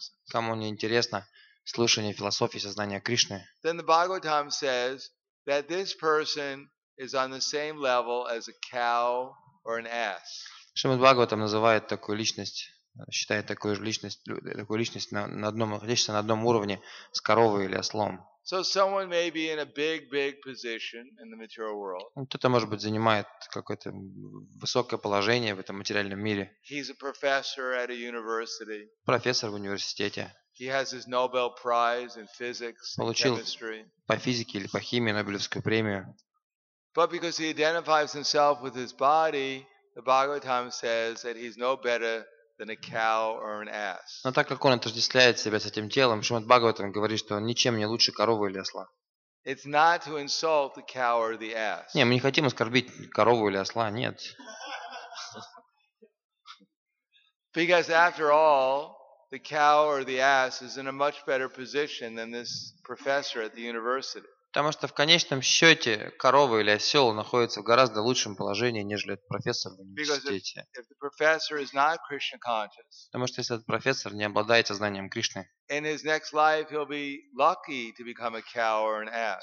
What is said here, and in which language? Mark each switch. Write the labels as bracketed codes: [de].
[ru] Кому не интересно слушание философии сознания Кришны? [en] Then the Bhagavatam says that this person is on the same level as a cow or an ass. [ru] Шримад Бхагаватам называет такую личность, считает такую личность на одном уровне с коровой или ослом. [en] So someone may be in a big, big position in the material world. [ru] Кто-то, может быть, занимает какое-то высокое положение в этом материальном мире. [en] He's a professor at a university. [ru] Профессор в университете. [en] He has his Nobel Prize in physics and chemistry. [ru] Получил по физике или по химии Нобелевскую премию. [en] But because he identifies himself with his body, the Bhagavatam says that he's no better than a cow or an ass. [ru] Но так как он отождествляет себя с этим телом, Шримад Бхагаватам говорит, что он ничем не лучше коровы или осла. [en] It's not to insult the cow or the ass. [ru] Не, мы не хотим оскорбить корову или осла, нет. [en] Because after all, the cow or the ass is in a much better position than this professor at the university. [ru] Потому что в конечном счете корова или осел находится в гораздо лучшем положении, нежели этот профессор в университете. Потому что если этот профессор не обладает сознанием Кришны, в